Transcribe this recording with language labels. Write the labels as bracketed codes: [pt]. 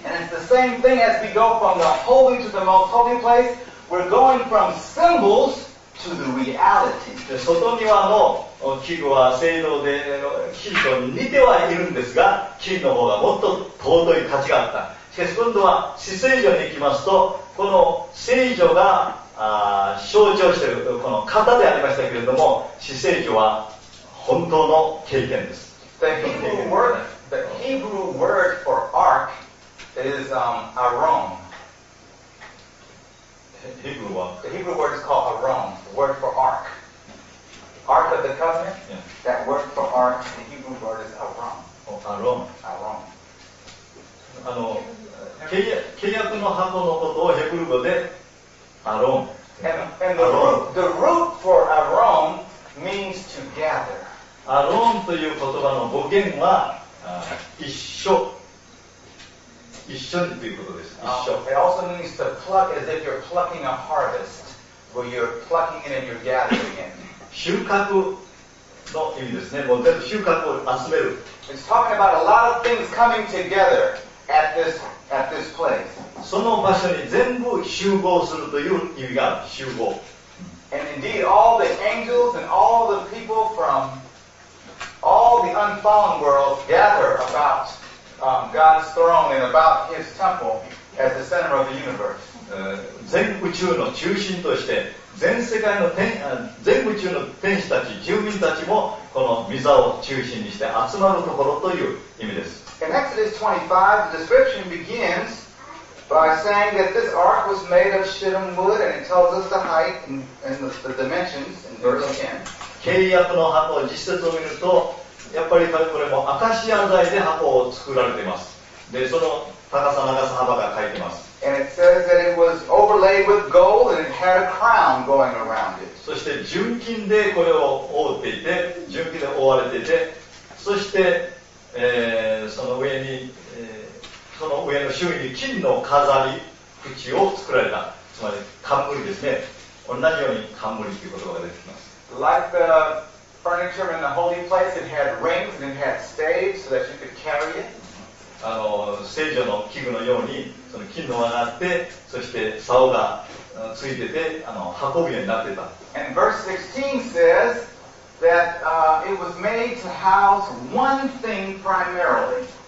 [en] And it's the same thing as we go from the holy to the most holy place. We're going from symbols to the reality. [ja] で外庭の器具は青銅で金と似てはいるんですが、金の方がもっと尊い価値があった。今度は至聖所に行きますと、この聖所が象徴しているこの型でありましたけれども、至聖所は本当の経験です。 [en] The Hebrew word, the Hebrew word for ark is aron. Hebrew what? The Hebrew word is called aron, the word for ark. Ark of the covenant. Yeah. That word for ark, the Hebrew word is aron. Oh, aron. Aron. [ja] あの契約の箱のことをヘブル語でアロン。 [en] The root for aron means to gather. [ja] アロンという言葉の語源は一緒にということです。一緒。 [en] It also means to pluck as if you're plucking a harvest, where you're plucking it and you're gathering it. [ja] 収穫の意味ですね。もう全部収穫を集める。 [en] It's talking about a lot of things coming together. At this place. [ja] その場所に全部集合するという意味がある集合。 [en] And indeed, all the angels and all the people from all the unfallen world gather about God's throne and about His temple as the center of the universe. [ja] 全宇宙の中心として、全世界の天、全宇宙の天使たち、住民たちもこの御座を中心にして集まるところという意味です。 [en] In Exodus 25, the description begins by saying that this ark was made of shittim wood, and it tells us the height and the dimensions in verse 10. [ja] 契約の箱、実説を見ると、やっぱりこれもアカシア材で箱を作られています。で、その高さ、長さ、幅が書いてます。 [en] And it says that it was overlaid with gold, and it had a crown going around it. [ja] そして純金でこれを覆っていて、純金で覆われていて、そしてその上に、その上の周囲に金の飾り口を作られた、つまり冠ですね。同じように冠という言葉が出てきます。 [en] Like the furniture in the holy place, it had rings and it had staves so that you could carry it. [ja] 聖所の器具のようにその金の輪があって、そして竿がついてて運ぶようになってた。 [en] And verse 16 saysThat it was made to house one thing primarily.